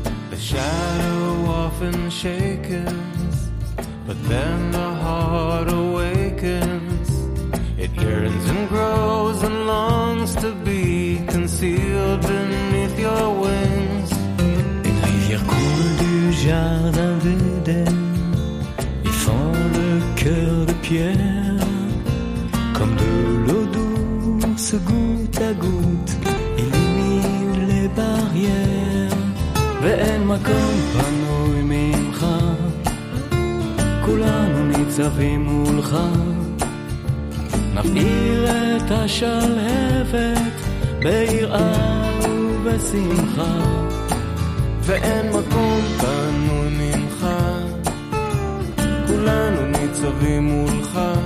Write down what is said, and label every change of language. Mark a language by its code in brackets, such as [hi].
[en] The shadow often shakes, but then the heart awakens. It yearns and grows and longs to be concealed beneath your wings. [fr] Une rivière coule du jardin d'Eden, y fend le cœur de pierre. Comme de l'eau douce, goutte à goutte, illumine les barrières. [he] Ve'en makom panoy mimcha, כולנו ניצבים מולך. נפעיל את השלהבת ביראה ובשמחה, ואין מקום פנוי ממך, כולנו ניצבים מולך.